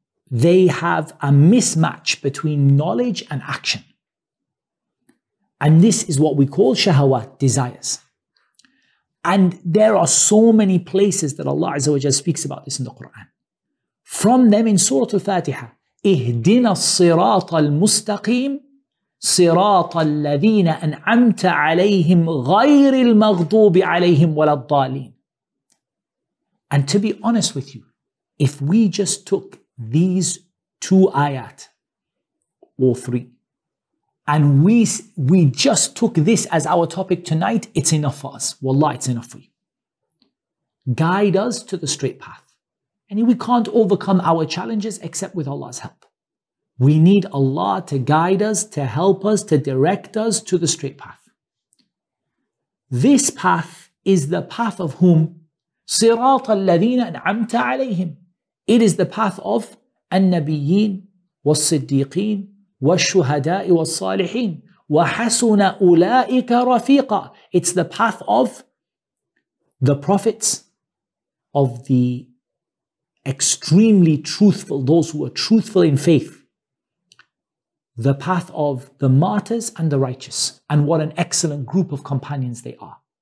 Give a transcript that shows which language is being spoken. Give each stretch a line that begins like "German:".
English: They have a mismatch between knowledge and action. And this is what we call shahawat, desires. And there are so many places that Allah Azza wa Jalla speaks about this in the Quran. From them in Surah Al-Fatiha,
Arabic: اِهْدِنَا الصِّرَاطَ الْمُسْتَقِيمِ صراط الذين أنعمت عليهم غير المغضوب عليهم ولا الضالين.
English: And to be honest with you, if we just took these two ayat, or three, And we just took this as our topic tonight. It's enough for us. Wallah, it's enough for you. Guide us to the straight path. And we can't overcome our challenges except with Allah's help. We need Allah to guide us, to help us, to direct us to the straight path. This path is the path of whom?
Arabic: صراط الذين أنعمت عليهم.
English: It is the path of
Arabic: النبيين والصديقين والشهداء والصالحين وحسن أولئك رفيقا.
English: It's the path of the prophets, of the extremely truthful, those who are truthful in faith. The path of the martyrs and the righteous. And what an excellent group of companions they are.